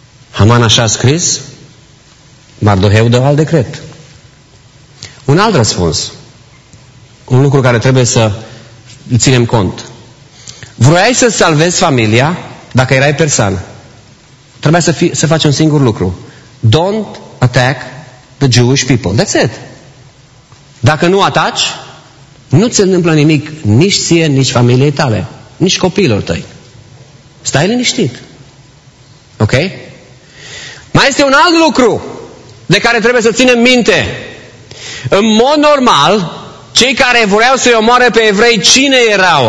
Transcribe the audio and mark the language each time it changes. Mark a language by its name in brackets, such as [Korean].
[Romanian] Haman așa a scris, Mardoheu dă alt decret. Un alt răspuns, un lucru care trebuie să ținem cont. Vroiai să salvezi familia dacă erai persan. Trebuia să faci un singur lucru. [English] Don't attack the Jewish people. That's it. [Romanian] Dacă nu ataci, nu ți se întâmplă nimic nici ție, nici familiei tale, nici copiilor tăi. Stai liniștit. Ok? Mai este un alt lucru de care trebuie să ținem minte. În mod normal, cei care voreau să-i omoare pe evrei, cine erau?